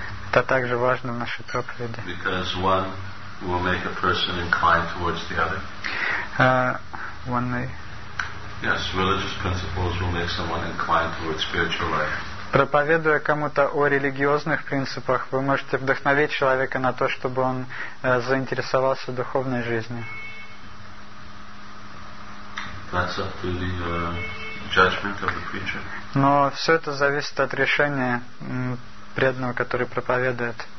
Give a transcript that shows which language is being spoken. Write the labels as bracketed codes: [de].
[ru] Это также важно в нашей проповеди. [en] Yes, religious principles will make someone inclined towards spiritual life. [ru] Проповедуя кому-то о религиозных принципах, вы можете вдохновить человека на то, чтобы он заинтересовался духовной жизнью. [en] That's up to the judgment of the preacher. [ru] Но все это зависит от решения преданного, который проповедует.